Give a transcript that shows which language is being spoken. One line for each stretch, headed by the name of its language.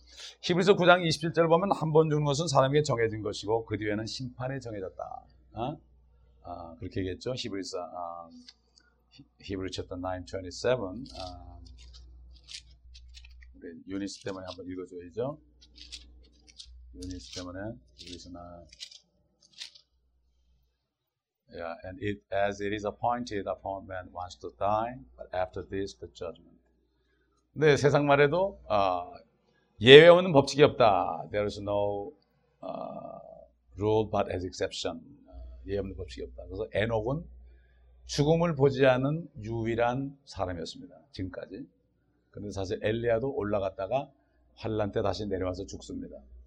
Korean: 히브리서 9장 27절을 보면 한 번 죽는 것은 사람에게 정해진 것이고 그 뒤에는 심판에 정해졌다. 그렇게 얘기했죠. 히브리서
English: Hebrews chapter 9:27.
Korean: 우리 유니스 때문에 한번 읽어줘야죠. 유니스 때문에 읽으시나.
English: Yeah, and it, as it is appointed upon man once to die, but after this, the judgment.
Korean: 네, 세상 말에도 예외 없는 법칙이 없다.
English: There is no rule but as exception.
Korean: 예외 없는 법칙이 없다. 그래서 에녹은 죽음을 보지 않은 유일한 사람이었습니다. 지금까지. 근데 사실 엘리야도 올라갔다가 환난 때 다시 내려와서 죽습니다.